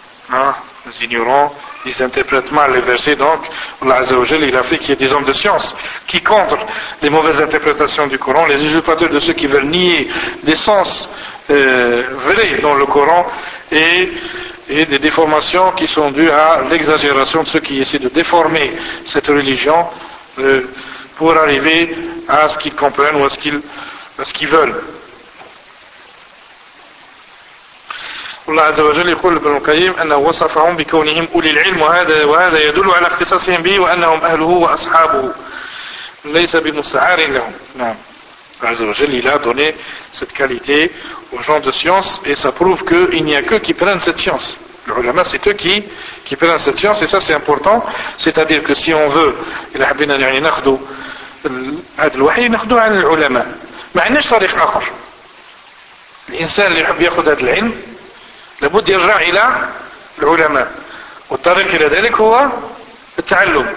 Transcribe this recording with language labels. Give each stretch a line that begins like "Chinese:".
French: Hein, les ignorants, ils interprètent mal les versets, donc Allah Azza wa Jalla il a fait qu'il y ait des hommes de science qui contrent les mauvaises interprétations du Coran, les usurpateurs de ceux qui veulent nier des sens vrais dans le Coran et des déformations qui sont dues à l'exagération de ceux qui essaient de déformer cette religion pour arriver à ce qu'ils comprennent ou à ce qu'ils veulent.
Arabic: الله عز وجل يقول لابن القيم أنه وصفهم بكونهم أولي العلم وهذا يدل على اختصاصهم به وأنهم أهله وأصحابه ليس بمستعار لهم. نعم الله عز وجل
French: il a donné cette qualité aux gens de science et ça prouve qu'il n'y a que qui prennent cette science. Les ulama c'est eux qui prennent cette science et ça c'est important. C'est-à-dire que si on veut
Arabic: إلا حبينا يعني ناخذوا هذا الوحي ناخذوا عن العلماء ما عندناش طريق آخر. الإنسان اللي يحب يأخذ هذا العلم لابد يرجع إلى العلماء والطريق إلى ذلك هو التعلم.